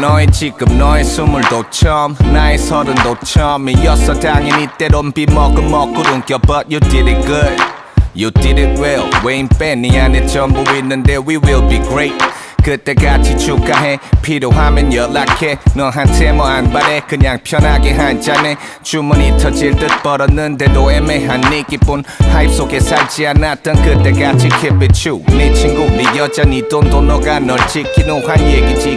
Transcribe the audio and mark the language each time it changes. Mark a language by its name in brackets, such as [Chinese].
[Korean] 너의 지금 너의 스물도 처음, 나의 서른도 처음이었어. 당연히 때론 비먹은 먹구름 껴. [English] But you did it good, you did it well. [Korean] 웨인 밴이 안에 전부 있는데 [English] we will be great. [Korean] 그때 같이 축하해. 필요하면 연락해. 너한테 뭐 안 바래. 그냥 편하게 한 잔해. 주머니 터질 듯 벌었는데도 애매한 네 기분. 하입 속에 살지 않았던 그때 같이 [English] keep it true. [Korean] 네 친구 네 여자 네 돈도 너가 널 지키는 한 얘기지.